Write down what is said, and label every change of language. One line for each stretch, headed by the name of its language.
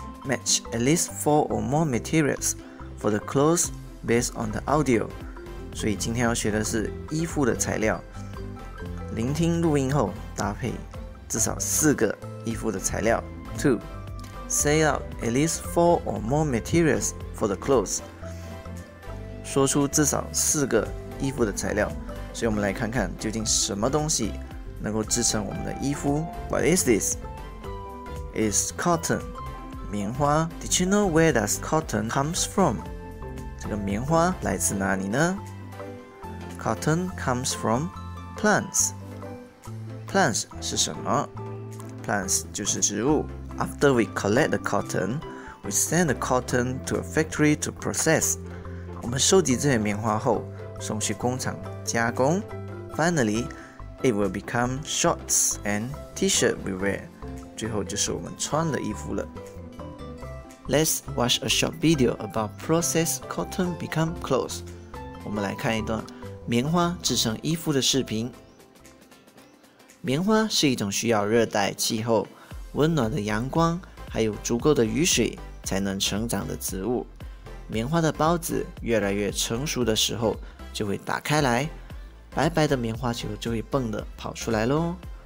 English: Match at least 4 or more materials for the clothes based on the audio.
Chinese: 所以今天要学的是衣服的材料。聆听录音后搭配至少四个衣服的材料。 2.
English: Say out at least 4 or more materials for the clothes.
Chinese: 说出至少四个衣服的材料。所以我们来看看究竟什么东西能够支撑我们的衣服。
English: What is this? It's cotton. 棉花。 Did you know where does cotton comes from?
Chinese: 这个棉花来自哪里呢？
English: Cotton comes from plants.
Chinese: Plants 是什么？Plants 就是植物。
English: After we collect the cotton, we send the cotton to a factory to process.
Chinese: 我们收集这些棉花后送去工厂加工。
English: Finally,It will become shorts and t-shirt we wear.
Chinese: 最后就是我们穿的衣服了。
English: Let's watch a short video about process cotton become clothes.
Chinese: 我们来看一段棉花制成衣服的视频。棉花是一种需要热带气候、温暖的阳光，还有足够的雨水才能成长的植物。棉花的孢子越来越成熟的时候就会打开来，白白的棉花球就会蹦的跑出来咯。